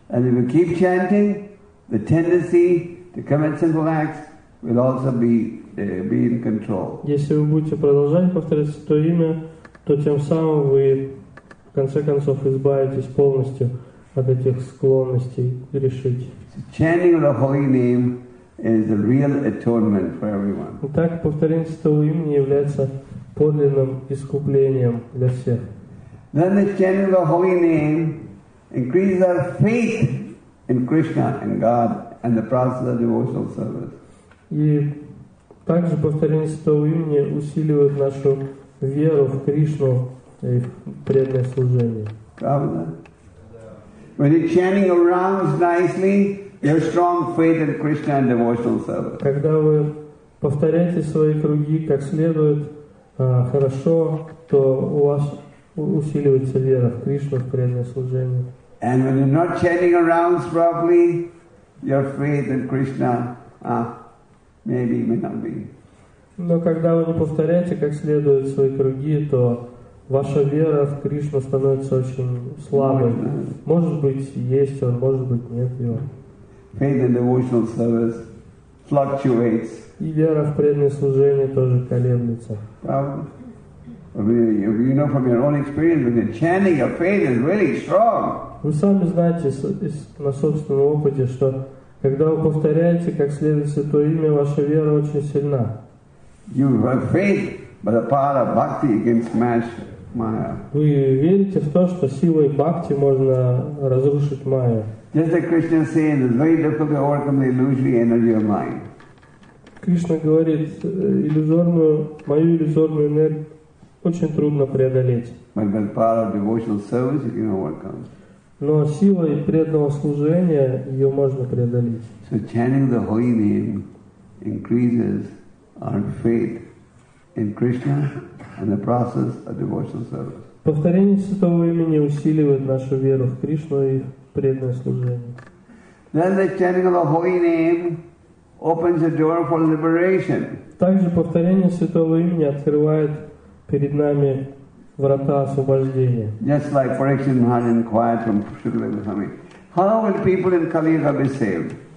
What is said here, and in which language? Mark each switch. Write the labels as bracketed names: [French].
[English] And if you keep chanting, the tendency to commit sinful acts will also be in control. [Russian] Если вы будете продолжать повторять святое имя, то тем самым вы в конце концов избавитесь полностью от этих склонностей грешить. [English] So chanting the holy name is a real atonement for everyone. [Russian] Итак, повторение святого имени является подлинным искуплением для всех. [English] Then the chanting the holy name increases our faith in Krishna and God. And the process of devotional service. [Russian] И также повторение святого имени усиливает нашу веру в Кришну и в преданное служение. Правда? [English] When the chanting runs nicely, your strong faith in Krishna and devotional service. [Russian] Когда вы повторяете свои круги как следует, хорошо, то у вас усиливается вера в Кришну в преданное служение. [English] And when you're not chanting rounds properly, your faith in Krishna, maybe may not be. [Russian] Но когда вы не повторяете как следует свои круги, то ваша вера в Кришну становится очень слабой. Может быть, есть он, может быть, нет его. [English] Faith in devotional service fluctuates. [Russian] И вера в преданное служение тоже колеблется. Правда? [English] You know from your own experience, when you're chanting, your faith is really strong. [Russian] Вы сами знаете на собственном опыте, что когда вы повторяете как следует святое имя, ваша вера очень сильна. [English] You have faith, but the power of bhakti can smash Maya. [Russian] Вы верите в то, что силой бхакти можно разрушить Майю. [English] Just like Krishna is saying, it's very difficult to overcome the illusory energy of mind. [Russian] Кришна говорит, мою иллюзорную энергию очень трудно преодолеть. [English] But by the power of devotional service, you can overcome. [Russian] Но силой преданного служения ее можно преодолеть. [English] So chanting the holy name increases our faith in Krishna and the process of devotional service. [Russian] Повторение святого имени усиливает нашу веру в Кришну и преданное служение. [English] Then the chanting of the holy name opens the door for liberation. [Russian] Также повторение святого имени открывает перед нами врата освобождения. [English] Just like Parikshit Maharaj inquired from Shukadeva Goswami, how will people in Kali Yuga be saved?